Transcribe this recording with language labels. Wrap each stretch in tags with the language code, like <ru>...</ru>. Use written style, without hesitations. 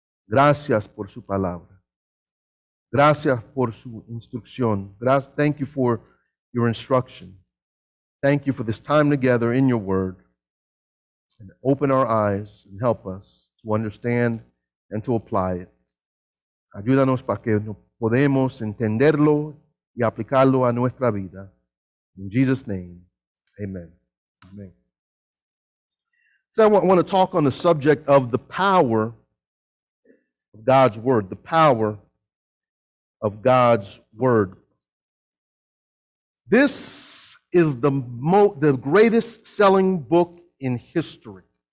<es>Gracias por su palabra. Gracias por su instrucción.</es> <en>Thank you for your instruction. Thank you for this time together in your word. And open our eyes and help us to understand and to apply it.</en> <es>Ayúdanos para que podamos entenderlo y aplicarlo a nuestra vida.</es> <en>In Jesus' name, amen. Amen. So I want to talk on the subject of the power of God's word. The power of God's word. This is the greatest selling book in history.</en>